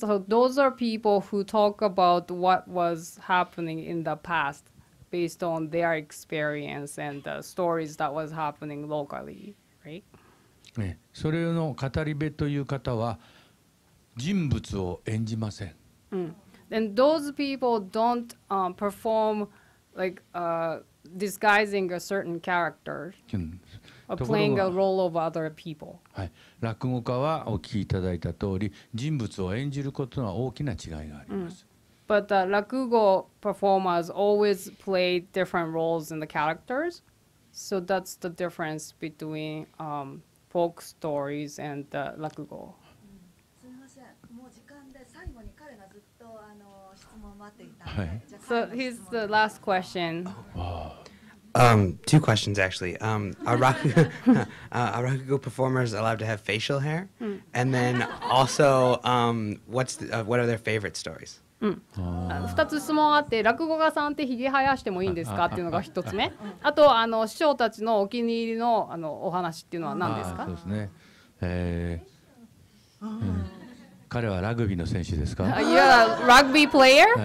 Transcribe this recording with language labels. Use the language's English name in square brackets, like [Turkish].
[English] So those are people who talk about what was happening in the past based on their experience and the stories that was happening locally, right? [Japanese] それの語り部という方は人物を演じません。 [English] And those people don't perform like disguising a certain character. Playing a role of other people. [Japanese] はい、落語家はお聞きいただいた通り人物を演じることは大きな違いがあります。 [English] But the 落語 performers always play different roles in the characters. So that's the difference between folk stories and the 落語。 [Japanese] すみません、もう時間で最後に彼がずっとあの質問待っていた。はい。 [English] So here's the last question. Wow. Two questions actually. Are Rakugo performers allowed to have facial hair? And then also, what are their favorite stories? [Japanese] 二つ質問あって、落語家さんってひげ生やしてもいいんですかっていうのが一つ目。あと、あの、師匠たちのお気に入りの、あの、お話っていうのは何ですか？そうですね。彼はラグビーの選手ですか? [English] You're a rugby player?